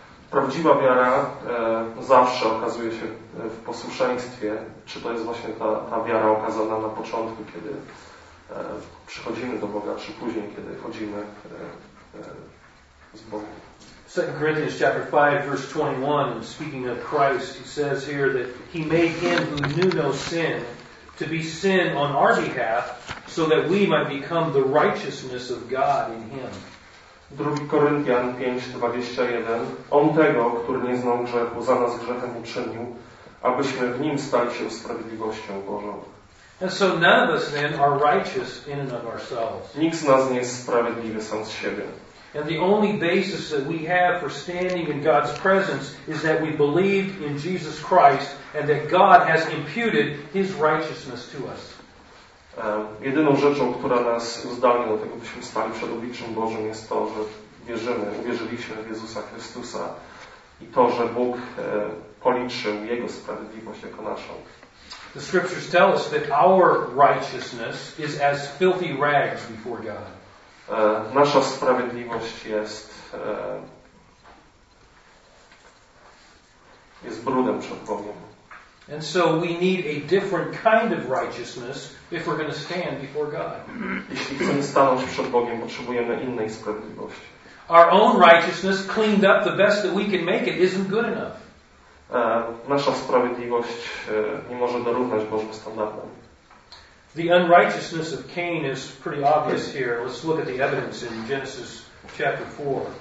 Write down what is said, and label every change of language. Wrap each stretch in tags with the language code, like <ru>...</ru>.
<pl>Prawdziwa wiara zawsze okazuje się w posłuszeństwie. Czy to jest właśnie ta wiara okazana na początku, kiedy przychodzimy do Boga, czy później, kiedy chodzimy z Bogiem.</pl> <en>2 Corinthians chapter 5, verse 21, speaking of Christ, he says here that he made him who knew no sin to be sin on our behalf, so that we might become the righteousness of God in him.</en> <pl>2 Koryntian 5:21. On tego, który nie znał grzechu, za nas grzechem uczynił, abyśmy w nim stali się sprawiedliwością Bożą.</pl> <en>And so none of us then are righteous in and of ourselves.</en> <pl>Nikt z nas nie jest sprawiedliwy sam z siebie.</pl> <en>And the only basis that we have for standing in God's presence is that we believe in Jesus Christ and that God has imputed his righteousness to us.</en> <pl>Jedyną rzeczą, która nas uzdalnia do tego, byśmy stali przed obliczem Bożym, jest to, że uwierzyliśmy w Jezusa Chrystusa i to, że Bóg policzył Jego sprawiedliwość jako naszą.</pl> <en>The scriptures tell us that our righteousness is as filthy rags before God.</en> <pl>Nasza sprawiedliwość jest brudem przed Bogiem.</pl> <en>And so we need a different kind of righteousness if we're going to stand before God.</en> <pl>Jeśli chcemy stanąć przed Bogiem, potrzebujemy innej sprawiedliwości.</pl> <en>Our own righteousness, cleaned up the best that we can make it, isn't good enough.</en> <pl>Nasza sprawiedliwość nie może dorównać Bożym standardom.</pl> <en>The unrighteousness of Cain is pretty obvious here. Let's look at the evidence in Genesis chapter 4.</en>